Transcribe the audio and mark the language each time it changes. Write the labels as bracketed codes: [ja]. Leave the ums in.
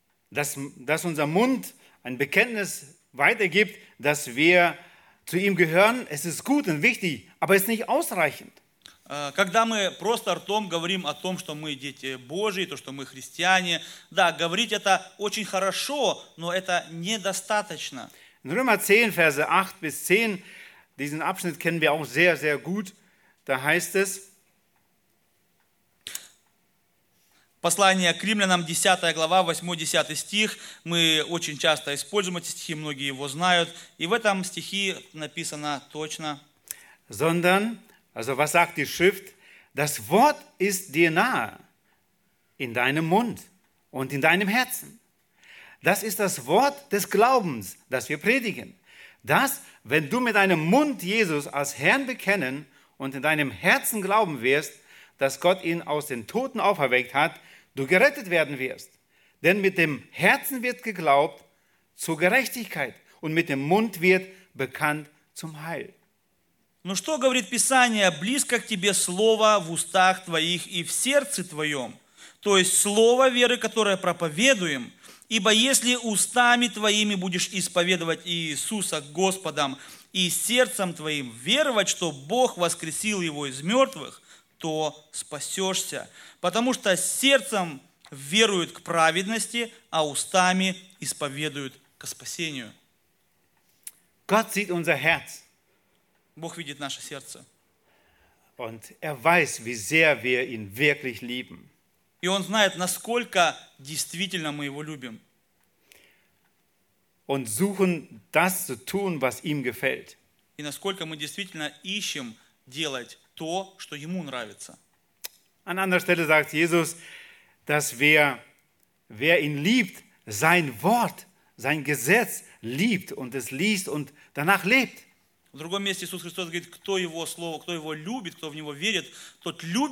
[de] Dass, das unser Mund ein Bekenntnis weitergibt, dass wir zu ihm gehören, es ist gut und wichtig, aber es ist nicht ausreichend. [ru] Когда мы просто ртом говорим о том, что мы дети Божьи, то, что мы христиане, да, говорить это очень хорошо, но это недостаточно. [de] In Römer 10, Verse 8 bis 10 diesen Abschnitt kennen wir auch sehr, sehr gut. Da heißt es, [ru] Послание к римлянам, 10 глава, 8-10 стих. Мы очень часто используем эти стихи, многие его знают. И в этом стихе написано [de] Sondern, also was sagt die Schrift? Das Wort ist dir nahe, in deinem Mund und in deinem Herzen. Das ist das Wort des Glaubens, das wir predigen dass, wenn du mit deinem Mund Jesus als Herrn bekennen und in deinem Herzen glauben wirst, dass Gott ihn aus den Toten auferweckt hat, du gerettet werden wirst. Denn mit dem Herzen wird geglaubt zur Gerechtigkeit und mit dem Mund wird bekannt zum Heil. [ru] Но что говорит Писание? Близко к тебе слово в устах твоих и в сердце твоем. То есть слово веры, которое проповедуем – Ибо если устами твоими будешь исповедовать Иисуса Господом и сердцем твоим веровать, что Бог воскресил его из мертвых, то спасешься. Потому что сердцем веруют к праведности, а устами исповедуют к спасению. [de] God sieht unser Herz. [ru] Бог видит наше сердце. [de] Und er weiß, wie sehr wir ihn wirklich lieben. [ru] И Он знает, насколько действительно мы Его любим. [de] Und suchen das zu tun, was ihm gefällt. [ru] И насколько мы действительно ищем делать то, что Ему нравится. [de] An anderer Stelle sagt Jesus, dass wer, wer ihn liebt, sein Wort, sein Gesetz liebt und es liest und danach lebt. [ru] В другом месте Иисус Христос говорит, кто Его Слово, кто Его любит, кто в Него верит, тот